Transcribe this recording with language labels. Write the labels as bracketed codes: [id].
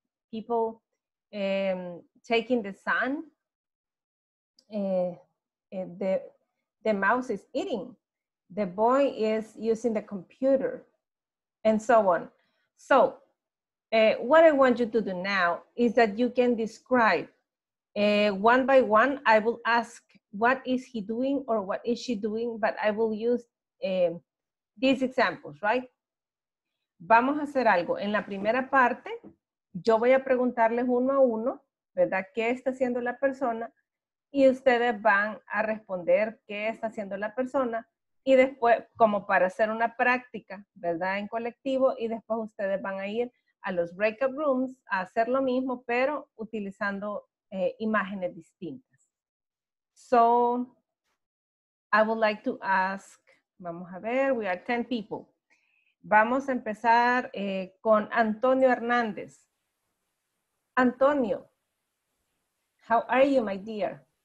[en] People taking the sun, the mouse is eating, the boy is using the computer, and so on. So, what I want you to do now is that you can describe one by one. I will ask what is he doing or what is she doing, but I will use these examples, right? [es] Vamos a hacer algo. En la primera parte, yo voy a preguntarles uno a uno, ¿verdad? ¿Qué está haciendo la persona? Y ustedes van a responder qué está haciendo la persona. Y después, como para hacer una práctica, ¿verdad? En colectivo, y después ustedes van a ir a los breakout rooms a hacer lo mismo, pero utilizando imágenes distintas. [en] So, I would like to ask, [es] vamos a ver, [en] we are 10 people. [es] Vamos a empezar con Antonio Hernández. [en] Antonio, how are you, my dear?